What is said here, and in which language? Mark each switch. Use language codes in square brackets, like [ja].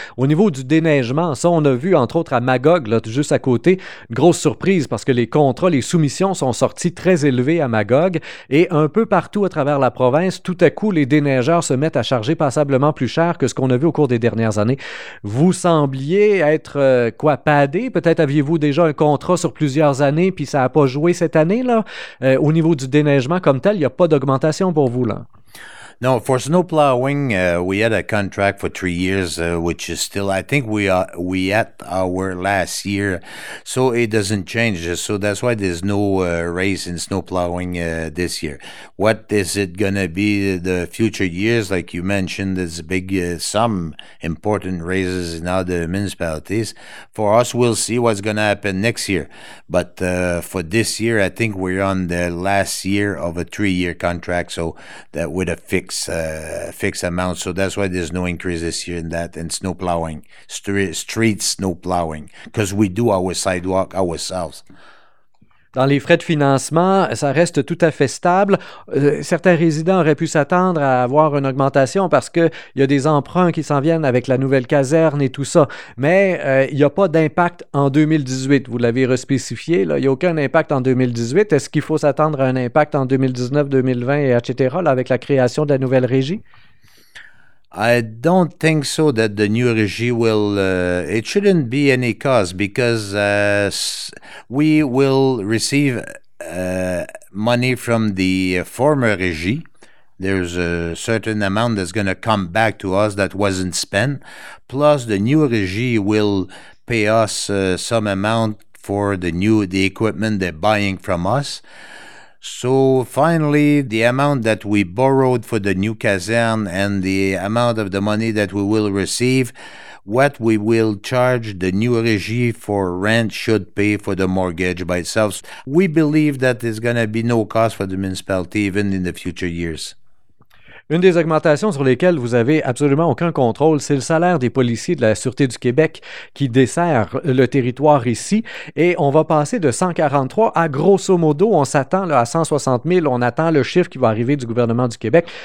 [fr] Au niveau du déneigement, ça on a vu entre autres à Magog, là, juste à côté, une grosse surprise parce que les contrats, les soumissions sont sortis très élevés à Magog et un peu partout à travers la province, tout à coup, les déneigeurs se mettent à charger passablement plus cher que ce qu'on a vu au cours des dernières années. Vous sembliez être quoi, padé? Peut-être aviez-vous déjà un contrat sur plusieurs années puis ça n'a pas joué cette année-là? Au niveau du déneigement comme tel, il n'y a pas d'augmentation pour vous, là? [en] Non, for snow plowing, we had a contract for 3 years, which is still, I think we at our last year, so it doesn't change. So that's why there's no raise in snow plowing this year. What is it going to be the future years? Like you mentioned, there's big, some important raises in other municipalities. For us, we'll see what's going to happen next year. But for this year, I think we're on the last year of a 3-year contract, so that with a fixed. Fixed amount, so that's why there's no increase this year in that in snow plowing, street snow plowing, because we do our sidewalk ourselves. [fr] Dans les frais de financement, ça reste tout à fait stable. Certains résidents auraient pu s'attendre à avoir une augmentation parce qu'il y a des emprunts qui s'en viennent avec la nouvelle caserne et tout ça. Mais il n'y a pas d'impact en 2018. Vous l'avez respécifié, là. Il n'y a aucun impact en 2018. Est-ce qu'il faut s'attendre à un impact en 2019, 2020, etc., là, avec la création de la nouvelle régie? [en] I don't think so that the new regie will, it shouldn't be any cause because we will receive money from the former regie. There's a certain amount that's going to come back to us that wasn't spent. Plus the new regie will pay us some amount for the equipment they're buying from us. So finally, the amount that we borrowed for the new caserne and the amount of the money that we will receive, what we will charge the new régie for rent should pay for the mortgage by itself. We believe that there's going to be no cost for the municipality even in the future years. [fr] Une des augmentations sur lesquelles vous avez absolument aucun contrôle, c'est le salaire des policiers de la Sûreté du Québec qui dessert le territoire ici. Et on va passer de 143 à grosso modo, on s'attend là, à 160 000, on attend le chiffre qui va arriver du gouvernement du Québec.